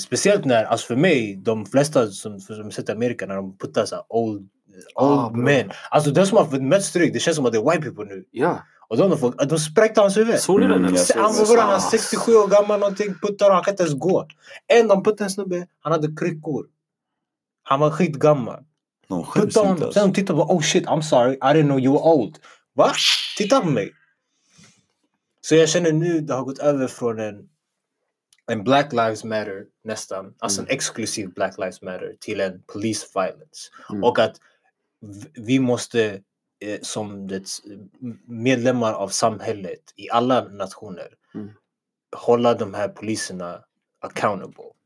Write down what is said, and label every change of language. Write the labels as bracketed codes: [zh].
[sv] Speciellt när, alltså för mig, de flesta som sett i Amerika, när de puttar såhär [en] old men. [sv] Alltså de som har fått mest tryck, det känns som att det är [en] white people [sv] nu. Ja. Och de spräckte hans huvud. Såg ni den? Han var bara 67 år gammal någonting, puttar, han kan inte ens gå. En de puttade en snubbe, han hade kryckor. Han var skitgammal. Puttade honom, sen de tittade på, [en] oh shit, I'm sorry, I didn't know you were old. [sv] Va? Titta på mig. Så jag känner nu, det har gått över från en Black Lives Matter nästan, alltså en exklusiv Black Lives Matter till en police violence. Mm. Och att vi måste som medlemmar av samhället i alla nationer hålla de här poliserna accountable.